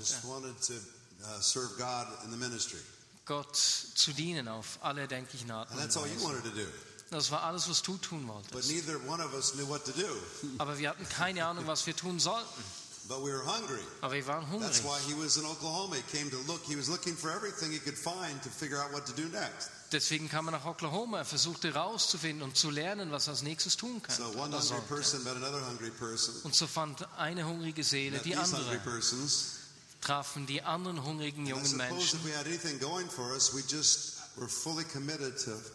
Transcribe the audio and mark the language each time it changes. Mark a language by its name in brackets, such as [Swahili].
[English] Just wanted to, serve God in the ministry. [German] Gott zu dienen auf alle denklichen Arten und Weisen. Das war alles, was du tun wolltest. [English] But neither one of us knew what to do. [German] Aber wir hatten keine Ahnung, was wir tun sollten. [English] But we were hungry. [German] Aber wir waren hungrig. [English] That's why he was in Oklahoma. He came to look. He was looking for everything he could find to figure out what to do next. [German] Deswegen kam er nach Oklahoma. Er versuchte herauszufinden und zu lernen, was er als nächstes tun kann. [English] So one hungry person met another hungry person. [German] Und so fand eine hungrige Seele die andere. Trafen die anderen hungrigen jungen Menschen. [English] And I suppose if we had anything going for us, we just were fully committed to.